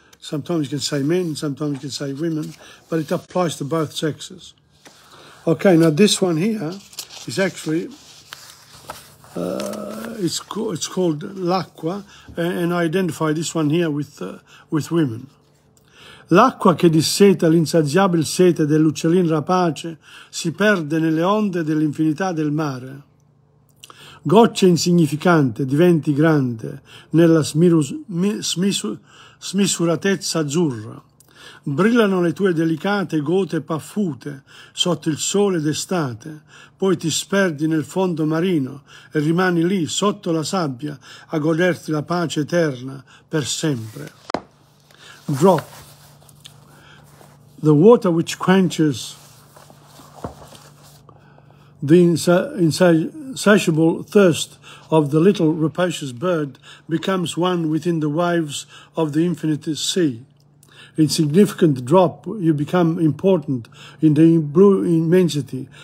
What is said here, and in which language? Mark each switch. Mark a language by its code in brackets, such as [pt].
[en] Sometimes you can say men, sometimes you can say women, but it applies to both sexes. Okay, now this one here is actually, it's called L'acqua, and I identify this one here with women. [it] L'acqua che disseta l'insaziabile sete dell'uccellin rapace si perde nelle onde dell'infinità del mare. Goccia insignificante diventi grande nella smisuratezza azzurra. Brillano le tue delicate gote paffute sotto il sole d'estate, poi ti sperdi nel fondo marino e rimani lì sotto la sabbia a goderti la pace eterna per sempre. [en] Drop. The water which quenches the insatiable thirst of the little rapacious bird becomes one within the waves of the infinite sea. Insignificant drop, you become important in the blue immensity.